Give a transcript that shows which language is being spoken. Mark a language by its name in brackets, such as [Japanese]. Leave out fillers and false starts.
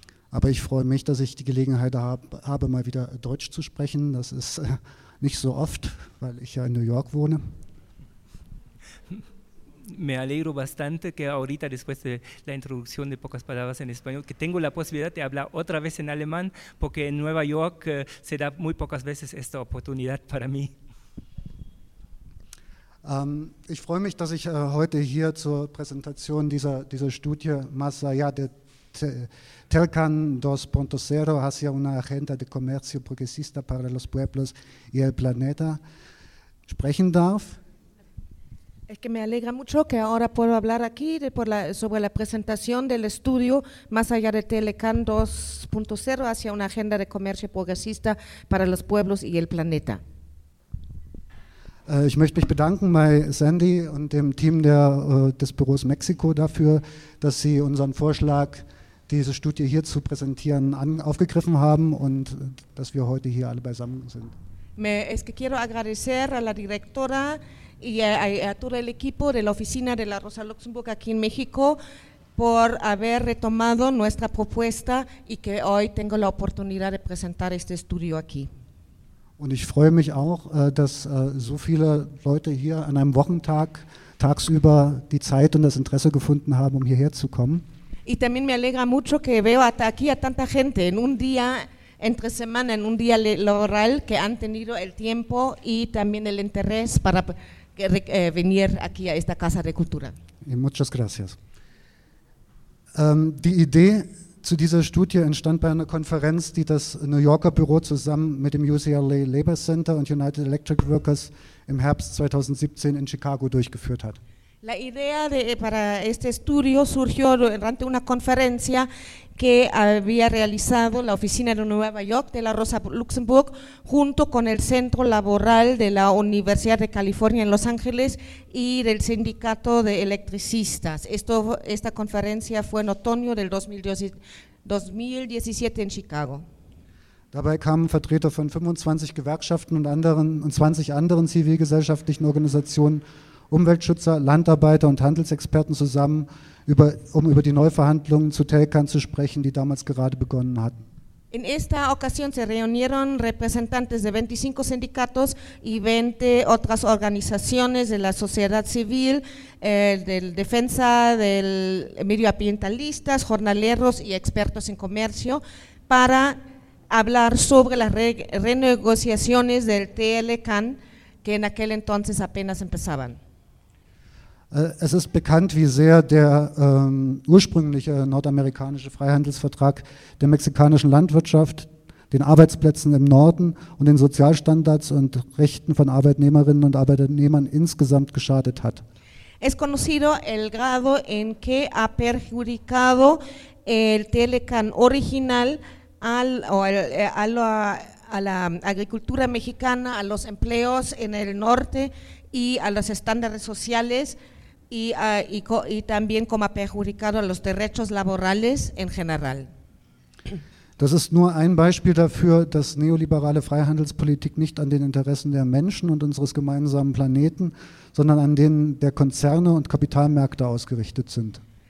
[German] Aber ich freue mich, dass ich die Gelegenheit habe, mal wieder Deutsch zu sprechen. Das ist nicht so oft, weil ich ja in New York wohne. [Spanish] Me alegro bastante que ahorita, después de la introducción de pocas palabras en español, que tengo la posibilidad de hablar otra vez en alemán, porque en Nueva York se da muy pocas veces esta oportunidad para mí. [German] Ich freue mich, dass ich heute hier zur Präsentation dieser Studie Más allá de Telcan 2.0 hacia una agenda de comercio progresista para los pueblos y el planeta sprechen darf. [Spanish] Es que me alegra mucho que ahora puedo hablar aquí sobre la presentación del estudio Más allá de Telcan 2.0 hacia una agenda de comercio progresista para los pueblos y el planeta. [German] Ich möchte mich bedanken bei Sandy und dem Team des Büros Mexiko dafür, dass sie unseren Vorschlag, diese Studie hier zu präsentieren, aufgegriffen haben und dass wir heute hier alle beisammen sind. [Spanish] Es que quiero agradecer a la directora y a todo el equipo de la oficina de la Rosa Luxemburg aquí en México por haber retomado nuestra propuesta y que hoy tengo la oportunidad de presentar este estudio aquí. [German] Und ich freue mich auch, dass so viele Leute hier an einem Wochentag tagsüber die Zeit und das Interesse gefunden haben, um hierher zu kommen. [Spanish] Y también me alegra mucho que veo hasta aquí a tanta gente en un día entre semana, en un día laboral, que han tenido el tiempo y también el interés para venir aquí a esta Casa de Cultura. Y muchas gracias. [German] Die Idee zu dieser Studie entstand bei einer Konferenz, die das New Yorker Büro zusammen mit dem UCLA Labor Center und United Electric Workers im Herbst 2017 in Chicago durchgeführt hat. [Spanish] La idea para este estudio surgió durante una conferencia que había realizado la oficina de Nueva York de la Rosa Luxemburg junto con el Centro Laboral de la Universidad de California en Los Ángeles y del Sindicato de Electricistas. Esta conferencia fue en otoño del 2017 en Chicago. [German] Dabei kamen Vertreter von 25 Gewerkschaften und 20 anderen zivilgesellschaftlichen Organisationen Umweltschützer, Landarbeiter und Handelsexperten zusammen, um über die Neuverhandlungen zu Telkan zu sprechen, die damals gerade begonnen hatten. [Spanish] En esta ocasión se reunieron representantes de 25 sindicatos y 20 otras organizaciones de la sociedad civil, del defensa del medioambientalistas, jornaleros y expertos en comercio para hablar sobre las renegociaciones del TLCAN que en aquel entonces apenas empezaban. [German] Es ist bekannt, wie sehr der ursprüngliche nordamerikanische Freihandelsvertrag der mexikanischen Landwirtschaft, den Arbeitsplätzen im Norden und den Sozialstandards und Rechten von Arbeitnehmerinnen und Arbeitnehmern insgesamt geschadet hat. [Spanish] Es conocido el grado en que ha perjudicado el TLCAN original a la agricultura mexicana, a los empleos en el norte y a los estándares sociales. Y también como ha perjudicado a los derechos laborales en general. [German] Das ist nur ein Beispiel dafür, dass neoliberale Freihandelspolitik nicht an den Interessen der Menschen und unseres gemeinsamen Planeten, sondern an denen der Konzerne und Kapitalmärkte ausgerichtet sind.